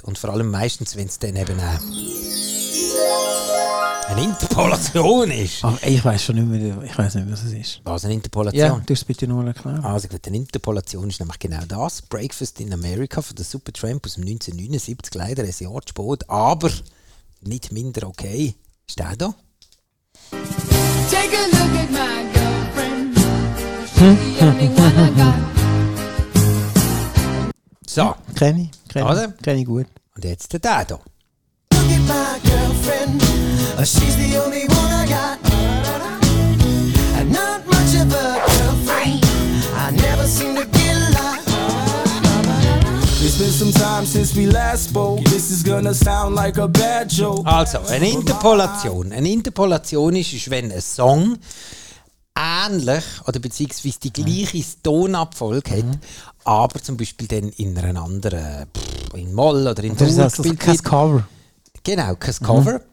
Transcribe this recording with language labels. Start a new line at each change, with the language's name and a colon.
German: Und vor allem meistens, wenn es dann eben eine Interpolation ist. Ach, ich weiß schon nicht mehr, ich weiß nicht mehr, was es ist. Was, eine Interpolation? Ja, du hast es bitte nochmal erklären. Also gut, eine Interpolation ist nämlich genau das. Breakfast in America von der Supertramp aus dem 1979, leider ein Jahr zu spät, aber nicht minder okay. Ist der da?
English: Take a look at my girlfriend.
German: So. Kenne ich. Also? Kenne ich gut. Und jetzt der da.
English: Look at my girlfriend. She's the only one I got. I'm not much of a girlfriend. I never seem to get like. It's been some time since we last spoke. This is gonna sound like a bad joke.
German: Also, eine Interpolation. Eine Interpolation ist, wenn ein Song ähnlich oder beziehungsweise die gleiche Tonabfolge hat, aber zum Beispiel dann in einer anderen, in Moll oder in Dur gespielt wird. Kein Cover. Genau, kein Cover.